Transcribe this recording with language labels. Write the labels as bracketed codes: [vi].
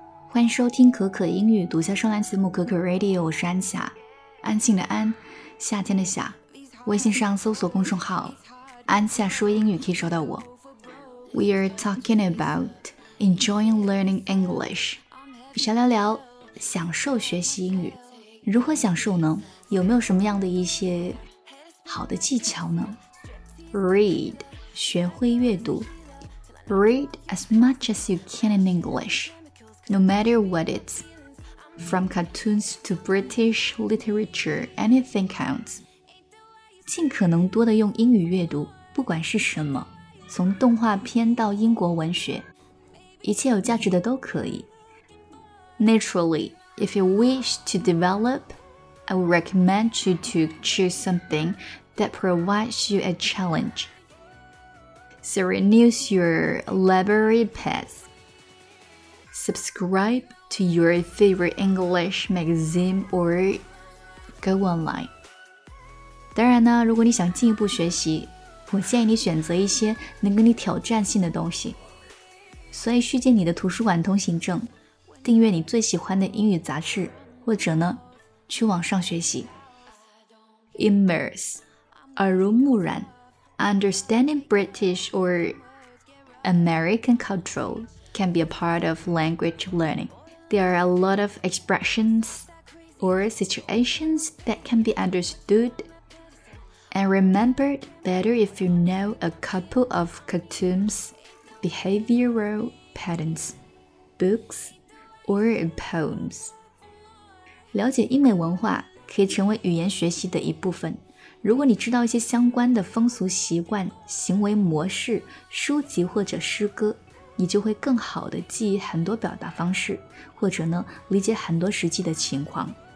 [zh] 欢迎收听可可英语独家双栏节目可可 Radio， 我是安夏，安静的安，夏天的夏。微信上搜索公众号安夏说英语可以找到我。 [en] We are talking about enjoying learning English， [zh] 想聊聊享受学习英语。如何享受呢？有没有什么样的一些好的技巧呢？ [en] Read， [zh] 学会阅读。 [en] Read as much as you can in English， No matter what it's from cartoons to British literature， anything counts。 [zh] 尽可能多的用英语阅读，不管是什么，从动画片到英国文学，一切有价值的都可以。 [en] Naturally, if you wish to develop, I would recommend you to choose somethingThat provides you a challenge. So renews your library path. Subscribe to your favorite English magazine or go online. [zh] 当然呢，如果你想进一步学习，我建议你选择一些能给你挑战性的东西。所以续借你的图书馆通行证，订阅你最喜欢的英语杂志，或者呢，去网上学习。 [en] Immerse. [zh] 耳濡目染 [en] Understanding British or American culture can be a part of language learning. There are a lot of expressions or situations that can be understood and remembered better if you know a couple of cartoons, behavioral patterns, books, or poems. [zh] 了解英美文化可以成为语言学习的一部分。如果你知道一些相关的风俗习惯、行为模式、书籍或者诗歌，你就会更好地记忆很多表达方式，或者呢，理解很多实际的情况。